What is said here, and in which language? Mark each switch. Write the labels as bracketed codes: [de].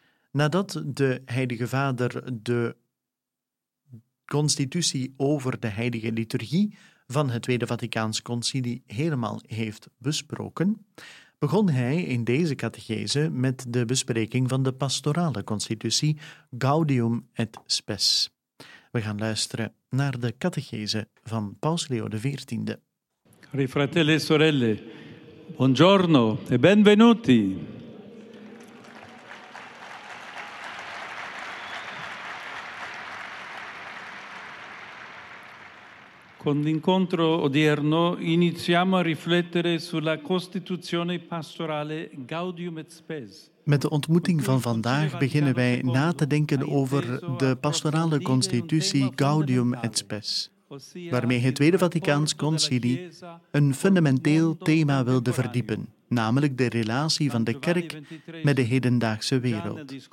[nl] Nadat de Heilige Vader de constitutie over de heilige liturgie van het Tweede Vaticaans Concilie helemaal heeft besproken, begon hij in deze catechese met de bespreking van de pastorale constitutie Gaudium et Spes. We gaan luisteren naar de catechese van Paus Leo XIV. [it] Cari fratelli e sorelle, buongiorno e benvenuti. Con l'incontro odierno iniziamo a riflettere sulla costituzione pastorale Gaudium et Spes. [nl] Met de ontmoeting van vandaag beginnen wij na te denken over de pastorale constitutie Gaudium et Spes, waarmee het Tweede Vaticaans Concilie een fundamenteel thema wilde verdiepen, namelijk de relatie van de kerk met de hedendaagse wereld.